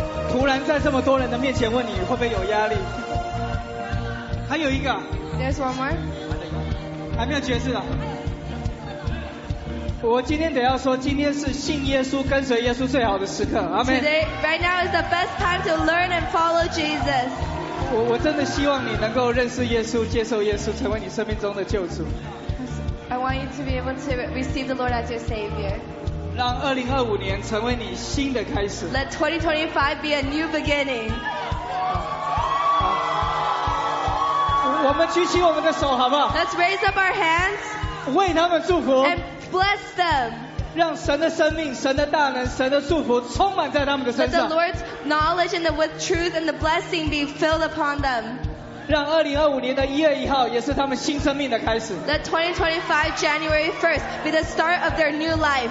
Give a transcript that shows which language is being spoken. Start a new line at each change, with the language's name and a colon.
Chinese: 突然在这么多人的面前问你，会不会有压力？还有一个
English: ，There's one more，
Chinese: 还没有决志的。我今天得要说，今天是信耶稣、跟随耶稣最好的时刻。阿门。
English: Today, right now is the best time to learn and follow Jesus.
Chinese: 我真的希望你能够认识耶稣、接受耶稣，成为你生命中的救主。
English: I want you to be able to receive the Lord as your Savior.
Chinese: 让2025年成为你新的开始。
English: Let 2025 be a new beginning.
Chinese: 我们举起我们的手，好不好
English: ？Let's raise up our hands.
Chinese: 为他们祝福。
English: And bless them.
Chinese: 让神的生命、神的大能、神的祝福充满在他们的身上。
English: Let the Lord's knowledge and the with truth and the blessing be filled upon them.
Chinese: 让2025年的1月1号也是他们新生命的开始。
English: Let 2025 January 1st be the start of their new life.